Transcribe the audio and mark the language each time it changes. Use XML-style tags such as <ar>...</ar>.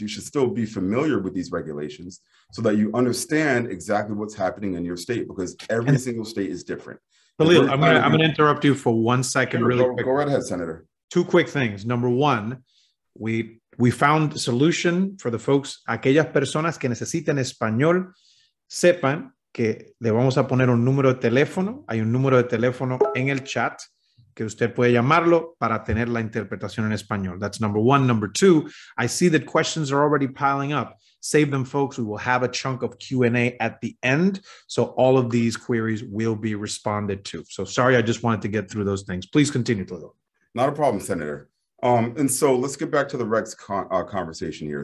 <en>You should still be familiar with these regulations so that you understand exactly what's happening in your state, because every single state is different. Tahlil, I'm gonna interrupt you for 1 second. Senator, really quick. Go right ahead, Senator. Two quick things. Number one, we found a solution for the folks.</en> <es>Aquellas personas que necesitan español, sepan que le vamos a poner un número de teléfono. Hay un número de teléfono en el chat que usted puede llamarlo para tener la interpretación en español.</es> <en>That's number one. Number two, I see that questions are already piling up. Save them, folks. We will have a chunk of Q&A at the end, so all of these queries will be responded to. So sorry, I just wanted to get through those things. Please continue, Tahlil. Not a problem, Senator. And so let's get back to the regs conversation here.</en>